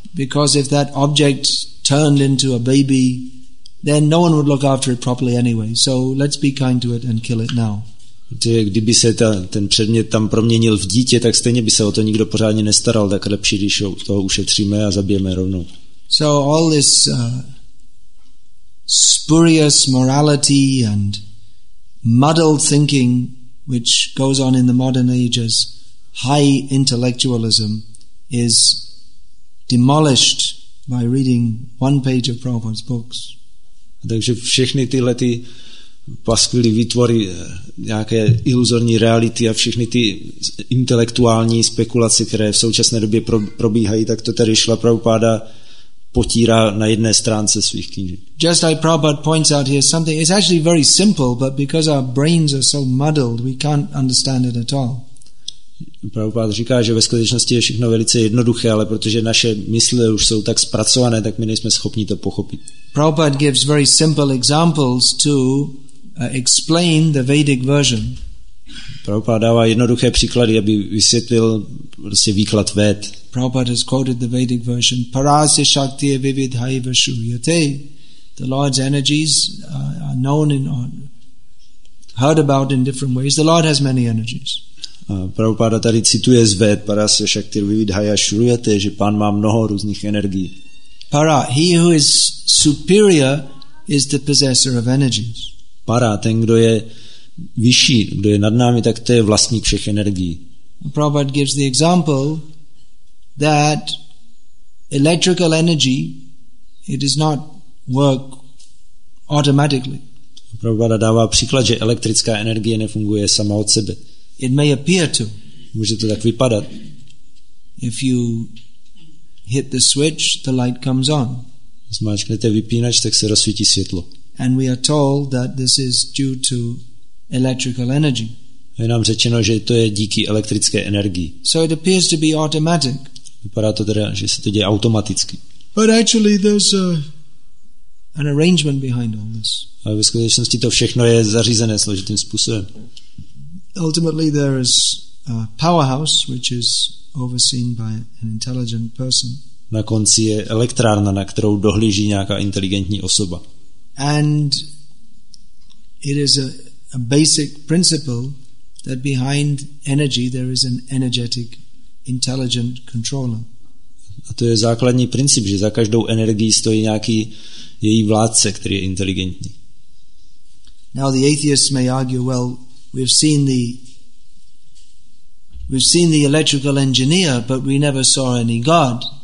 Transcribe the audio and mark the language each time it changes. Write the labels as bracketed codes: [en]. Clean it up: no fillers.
[en] Because if that object turned into a baby, then no one would look after it properly anyway. So let's be kind to it and kill it now. [cs] Kdyby se ten předmět tam proměnil v dítě, tak stejně by se o to nikdo pořádně nestaral, tak lepší, když toho ušetříme a zabijeme rovnou. [en] So all this spurious morality and muddled thinking which goes on in the modern ages, high intellectualism, is demolished by reading one page of Prabhupada's books. [cs] Takže všechny tyhle ty paskvily výtvory nějaké iluzorní reality a všechny ty intelektuální spekulace, které v současné době probíhají, tak to tady šla Prabhupada potírá na jedné stránce svých knížek. [en] Just like Prabhupada points out here something, it's actually very simple, but because our brains are so muddled, we can't understand it at all. [cs] Prabhupada říká, že ve skutečnosti je všechno velice jednoduché, ale protože naše mysle už jsou tak zpracované, tak my nejsme schopni to pochopit. [en] Prabhupada gives very simple examples to explain the Vedic version. [cs] Prabhupada dává jednoduché příklady, aby vysvětlil prostě výklad Véd. [en] Prabhupada has quoted the Vedic version. [sa] Parasya shakti vividhai vashuryate. [en] The Lord's energies are known in heard about in different ways. The Lord has many energies. [cs] Prabhupada tady cituje z Véd, [sa] Parasya shakti vividhai vashuryate, [cs] že Pán má mnoho různých energií. [en] Para, he who is superior is the possessor of energies. [cs] Para, ten, kdo je vyšší, kdo je nad námi, tak to je vlastník všech energií. [en] Prabhupada gives the example that electrical energy, it does not work automatically. [cs] Prabhupada dává příklad, že elektrická energie nefunguje sama od sebe. [en] It may appear to. [cs] Může to tak vypadat. [en] If you hit the switch, the light comes on. [cs] Zmáčknete vypínač, tak se rozsvítí světlo. [en] And we are told that this is due to electrical energy. [cs] Je nám řečeno, že to je díky elektrické energii. [en] So it appears to be automatic. [cs] Vypadá to teda, že se to děje automaticky. [en] But actually there's an arrangement behind all this. [cs] Ale ve skutečnosti to všechno je zařízené složitým způsobem. [en] Ultimately there is a powerhouse which is overseen by an intelligent person. [cs] Na konci je elektrárna, na kterou dohlíží nějaká inteligentní osoba. [en] And it is a basic principle that behind energy there is an energetic intelligent controller. [cs] A to je základní princip, že za každou energií stojí nějaký její vládce, který je inteligentní. [en] Now the atheists may argue, well, we've seen the electrical engineer, but we never saw any God.